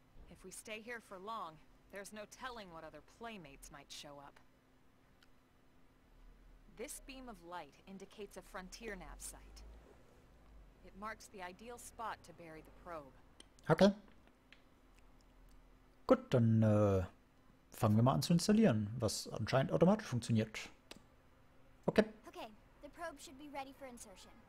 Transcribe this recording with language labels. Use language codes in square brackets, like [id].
[en] If we stay here for long, there's no telling what other playmates might show up. This beam of light indicates a frontier nav site. It marks the ideal spot to bury the probe. Okay. [de] Gut, dann fangen wir mal an zu installieren, was anscheinend automatisch funktioniert. [en] Okay. Okay, the probe should be ready for insertion.